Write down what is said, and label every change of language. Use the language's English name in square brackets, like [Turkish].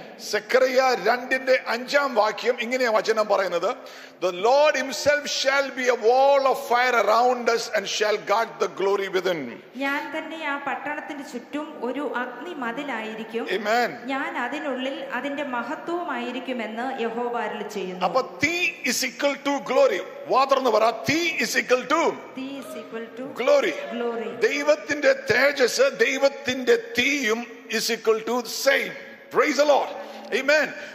[Malayalam] സെക്കറിയ 2:5 വാക്യം ഇങ്ങനെയാ വചനം പറയുന്നത്. [English] The Lord himself shall be a wall of fire around us and shall guard the glory within. [Malayalam] ഞാൻ തന്നെ ആ പട്ടണത്തിന്റെ ചുറ്റും ഒരു അഗ്നിമതിലായിരിക്കും. ആമേൻ. ഞാൻ അതിനുള്ളിൽ അതിന്റെ മഹത്വമായിരിക്കും എന്ന് യഹോവ അരുളി ചെയ്യുന്നു. അപ്പൊ തീ [English] Is equal to glory. [Malayalam] വാതർന്ന് പറ, തീ [English] Is equal to glory. Glory, [Malayalam] ദൈവത്തിന്റെ തേജസ്, ദൈവത്തിന്റെ തീയും [English] Is equal to same. Praise the lord. Amen.